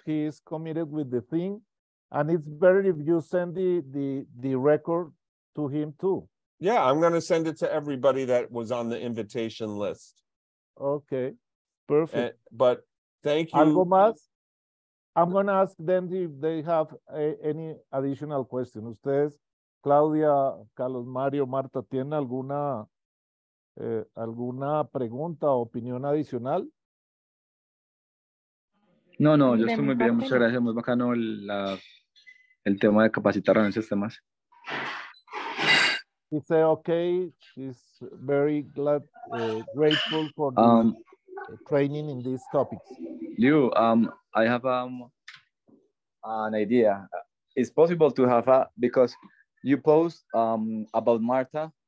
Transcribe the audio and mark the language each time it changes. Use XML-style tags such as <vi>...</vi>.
<en>He is committed with the thing. And it's better if you send the record to him too. Yeah, I'm going to send it to everybody that was on the invitation list. Okay, perfect. But thank you.</en> <es>Algo más?</es> <en>I'm going to ask them if they have any additional questions.</en> <es>Ustedes, Claudia, Carlos Mario, Marta, ¿tienen alguna pregunta o opinión adicional? No, yo estoy muy bien, muchas gracias, muy bacano el tema de capacitar en esos temas.</es> <en>He said, okay, he's very glad, grateful for the training in these topics. Liu, I have an idea. It's possible to have because you post about Marta.</en>